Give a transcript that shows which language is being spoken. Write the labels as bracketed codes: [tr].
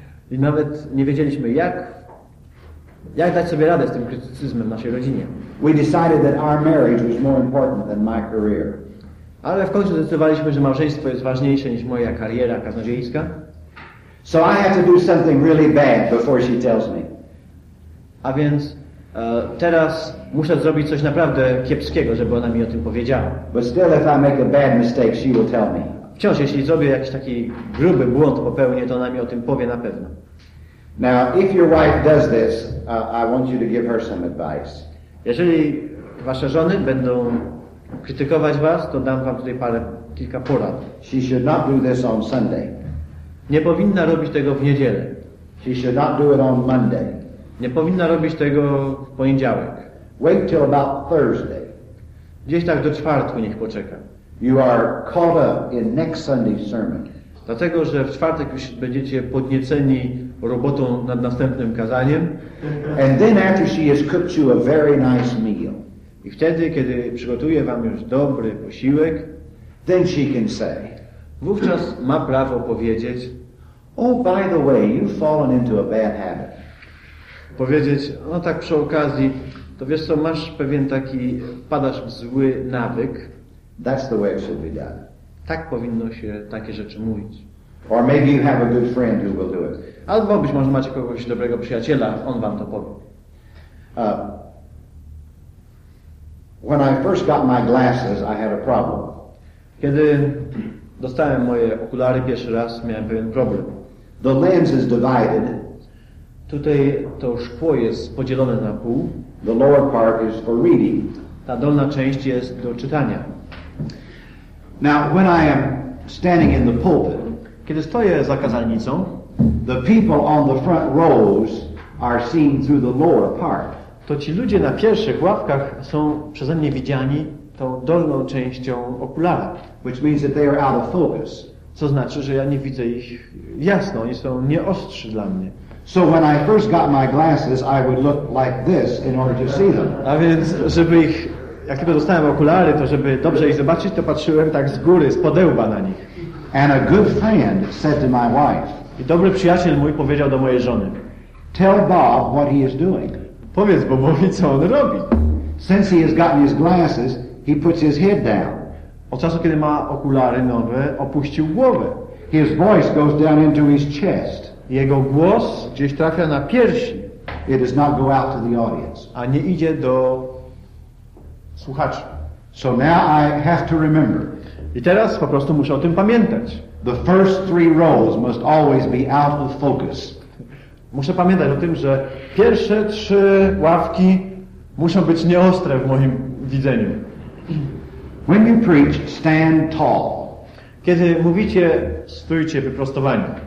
[pl] I nawet nie wiedzieliśmy, jak dać sobie radę z tym krytycyzmem w naszej rodzinie. [en] We decided that our marriage was more important than my career. [pl] Ale w końcu zdecydowaliśmy, że małżeństwo jest ważniejsze niż moja kariera kaznodziejska. [en] So I have to do something really bad before she tells me. [pl] A więc teraz muszę zrobić coś naprawdę kiepskiego, żeby ona mi o tym powiedziała. [en] But still, if I make a bad mistake, she will tell me. [pl] Wciąż, jeśli zrobię jakiś taki gruby błąd, popełnię, to ona mi o tym powie na pewno. [en] Now, if your wife does this, I want you to give her some advice. [pl] Jeżeli wasze żony będą krytykować was, to dam wam tutaj kilka porad. [en] She should not do this on Sunday. [pl] Nie powinna robić tego w niedzielę. [en] She should not do it on Monday. [pl] Nie powinna robić tego w poniedziałek. [en] Wait till about Thursday. [pl] Gdzieś tak do czwartku niech poczeka. [en] You are caught up in next Sunday's sermon. [pl] Dlatego, że w czwartek już będziecie podnieceni robotą nad następnym kazaniem. [en] And then after she has cooked you a very nice meal. [pl] I wtedy, kiedy przygotuje wam już dobry posiłek, [en] then she can say, [pl] wówczas ma prawo powiedzieć, [en] oh, by the way, you've fallen into a bad habit. [pl] Powiedzieć, no tak przy okazji, to wiesz co, masz pewien taki, wpadasz w zły nawyk. [en] That's the way it should be done. [pl] Tak powinno się takie rzeczy mówić. [en] Or maybe you have a good friend who will do it. [pl] Albo być może macie kogoś dobrego przyjaciela, on wam to powie. [en] When I first got my glasses, I had a problem. [pl] Kiedy dostałem moje okulary pierwszy raz, miałem pewien problem. [en] The lens is divided. [pl] Tutaj to szkło jest podzielone na pół. [en] The lower part is for reading. [pl] Ta dolna część jest do czytania. [en] Now, when I am standing in the pulpit, [pl] kiedy stoję za kazalnicą, [en] the people on the front rows are seen through the lower part. [pl] To ci ludzie na pierwszych ławkach są przeze mnie widziani tą dolną częścią okulara. [en] Which means that they are out of focus. [pl] Co znaczy, że ja nie widzę ich jasno, oni są nieostrzy dla mnie. [en] So when I first got my glasses, I would look like this in order to see them. [pl] A więc, żeby ich, jak tylko dostałem okulary, to żeby dobrze ich zobaczyć, to patrzyłem tak z góry, z podełba na nich. [en] And a good friend said to my wife. [pl] I dobry przyjaciel mój powiedział do mojej żony. [en] Tell Bob what he is doing. [pl] Powiedz Bobowi, co on robi. [en] Since he has gotten his glasses, he puts his head down. [pl] Od czasu, kiedy ma okulary nowe, opuścił głowę. [en] His voice goes down into his chest. [pl] Jego głos gdzieś trafia na piersi. [en] It does not go out to the audience. [pl] A nie idzie do słuchaczy. [en] So now I have to remember. [pl] I teraz po prostu muszę o tym pamiętać. [en] The first three rows must always be out of focus. [pl] Muszę pamiętać o tym, że pierwsze trzy ławki muszą być nieostre w moim widzeniu. [en] When you preach, stand tall. [pl] Kiedy mówicie, stójcie wyprostowani.